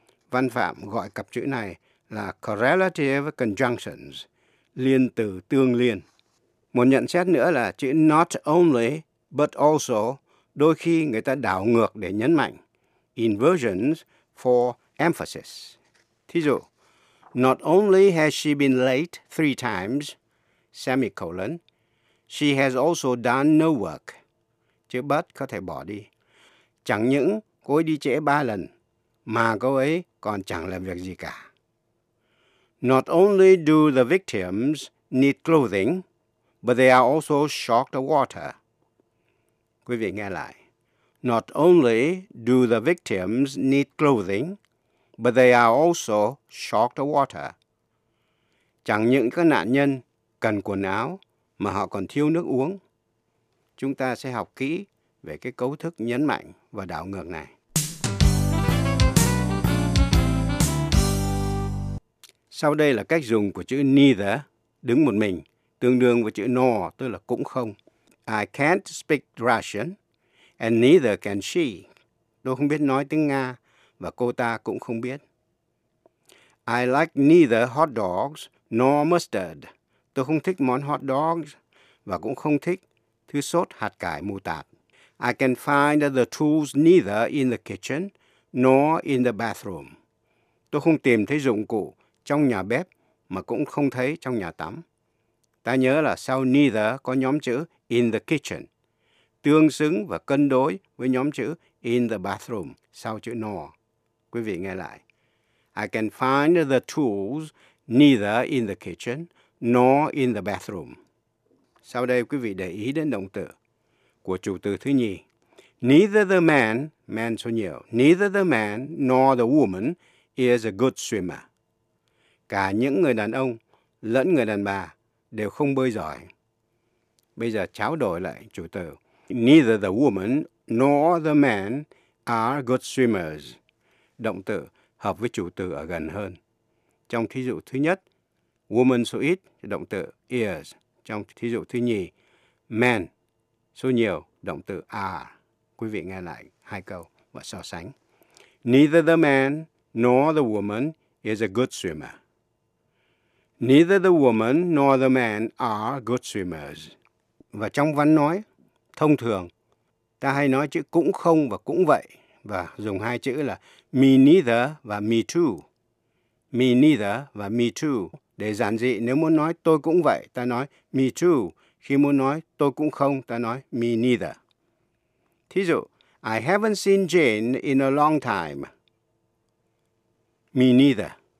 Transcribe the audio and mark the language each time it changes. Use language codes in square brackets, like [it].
[vi] Văn Phạm gọi cặp chữ này là [en] correlative conjunctions, [vi] liên từ tương liên. Một nhận xét nữa là chữ [en] not only but also, [vi] đôi khi người ta đảo ngược để nhấn mạnh, [en] inversions for emphasis. [vi] Thí dụ, [en] not only has she been late 3 times, semicolon, she has also done no work. [vi] Chữ but có thể bỏ đi. Chẳng những cô ấy đi trễ 3 lần, mà cô ấy còn chẳng làm việc gì cả. [en] Not only do the victims need clothing, but they are also short of water. [vi] Quý vị nghe lại. [en] Not only do the victims need clothing, but they are also short of water. [vi] Chẳng những các nạn nhân cần quần áo, mà họ còn thiếu nước uống. Chúng ta sẽ học kỹ về cái cấu thức nhấn mạnh và đảo ngược này. Sau đây là cách dùng của chữ neither, đứng một mình, tương đương với chữ nor, tức là cũng không. [en] I can't speak Russian, and neither can she. [vi] Tôi không biết nói tiếng Nga, và cô ta cũng không biết. [en] I like neither hot dogs nor mustard. [vi] Tôi không thích món hot dogs, và cũng không thích thứ sốt hạt cải mù tạt. [en] I can find the tools neither in the kitchen nor in the bathroom. [vi] Tôi không tìm thấy dụng cụ trong nhà bếp, mà cũng không thấy trong nhà tắm. Ta nhớ là sau neither có nhóm chữ [en] in the kitchen, [vi] tương xứng và cân đối với nhóm chữ [en] in the bathroom [vi] sau chữ nor. Quý vị nghe lại. [en] I can find the tools neither in the kitchen nor in the bathroom. [vi] Sau đây quý vị để ý đến động từ của chủ từ thứ nhì. [en] Neither the man, man [vi] số nhiều, [en] neither the man nor the woman is a good swimmer. [vi] Cả những người đàn ông lẫn người đàn bà đều không bơi giỏi. Bây giờ tráo đổi lại chủ từ. [en] Neither the woman nor the man are good swimmers. [vi] Động từ hợp với chủ từ ở gần hơn. Trong thí dụ thứ nhất, woman số ít, động từ is. Trong thí dụ thứ nhì, man số nhiều, động từ are. Quý vị nghe lại hai câu và so sánh. [en] Neither the man nor the woman is a good swimmer. Neither the woman nor the man are good swimmers. [vi] Và trong văn nói, thông thường, ta hay nói chữ cũng không và cũng vậy, và dùng hai chữ là [en] me neither [vi] và [en] me too. Me neither [vi] và [en] me too. [vi] Để giản dị, nếu muốn nói tôi cũng vậy, ta nói me too. Khi muốn nói tôi cũng không, ta nói [en] me neither. [vi] Thí dụ, [en] I haven't seen Jane in a long time. Me neither.